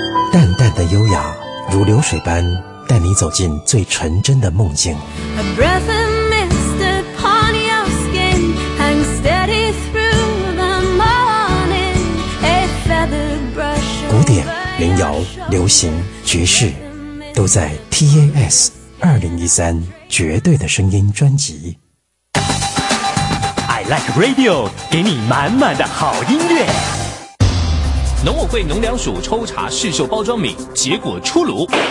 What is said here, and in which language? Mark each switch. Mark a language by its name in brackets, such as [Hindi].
[Chinese] 淡淡的优雅，如流水般带你走进最纯真的梦境。 [English] A breath of mist upon your skin, hang steady through the morning. A feather brush. [Chinese] 古典、民谣、流行、爵士，都在 TAS 2013绝对的声音专辑。 [English] I like radio， [Chinese] 给你满满的好音乐。农委会农粮署抽查市售包装米，结果出炉。